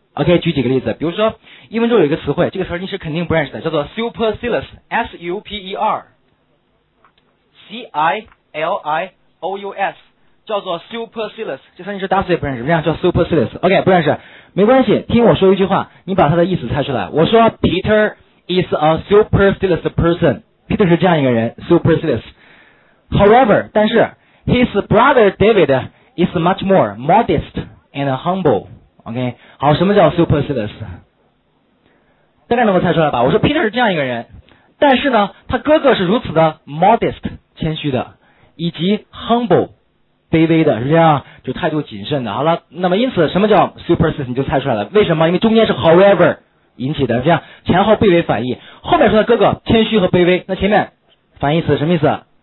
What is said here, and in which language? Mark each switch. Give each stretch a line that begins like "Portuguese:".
Chinese: OK， 举几个例子，比如说英文中有一个词汇，这个词你是肯定不认识的，叫做 supercilious， S-U-P-E-R C-I-L-I-O-U-S， 叫做 supercilious， 这词你是打死也不认识，这样叫 supercilious。 OK， 不认识没关系，听我说一句话，你把它的意思猜出来。
English: 我说 Peter is a supercilious person， Peter
Chinese: 是这样一个人，
English: supercilious。 However，
Chinese: 但是
English: his brother David is much more modest and humble。
Chinese: OK， 好，什么叫 supercilious？ 大概能够猜出来吧。我说 Peter 是这样一个人，但是呢他哥哥是如此的 modest， 谦虚的，以及 humble，卑微的，是这样，就态度谨慎的。好了，那么因此什么叫 supercilious 你就猜出来了。为什么？因为中间是 however 引起的，这样前后背为反义，后面说的哥哥谦虚和卑微，那前面反义词什么意思？